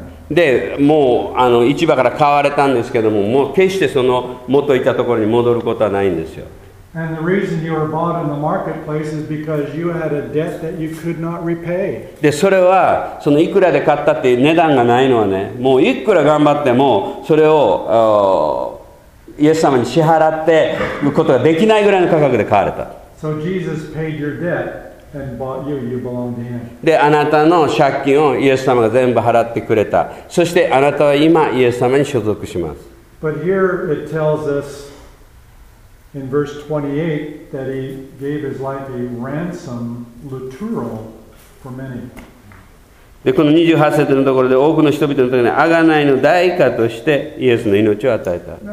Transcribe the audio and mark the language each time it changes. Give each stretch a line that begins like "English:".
Japanese: でもうあの市場から買われたんですけども、もう決してその元いたところに戻ることはないんですよ。
English: And the reason you were bought in the marketplace is because you had a debt that you could not repay.
Japanese: で、それはそのいくらで買ったっていう値段がないのはね、もういくら頑張ってもそれをイエス様に支払ってることができないぐらいの価格で買われた。
English: So Jesus paid your debt and bought you. You belong to him.
Japanese: で、あなたの借金をイエス様が全部払ってくれた。そしてあなたは今イエス様に所属します。
English: But here it tells us in verse 28 that he gave his life a ransom, literal, for many.
Japanese: でこの28節のところで多くの人々のところに贖いの代価としてイエスの命を与えた。